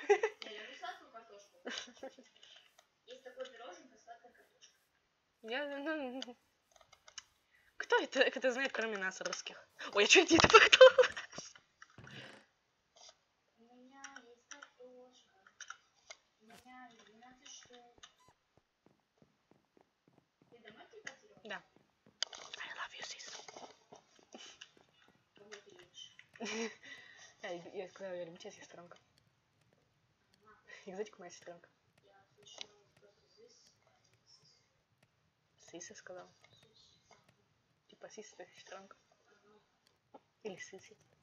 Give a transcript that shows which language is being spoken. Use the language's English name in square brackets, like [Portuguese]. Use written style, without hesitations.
[Russian] Я люблю сладкую картошку. Есть такой пироженка, сладкая картошка. Я, ну... Кто это знает, кроме нас, русских? Ой, я чуть не это поготовила. У меня есть картошка. У меня есть любимая штука. Ты домой ты потерял? Да. [English] I love you, sis. [Russian] Кому ты любишь? Я сказала, я люблю тебя, сестренка. Экзотик моя сестренка. Я слышала просто сис. Сиса сказал. Типа сис это сестренка. Или сиси.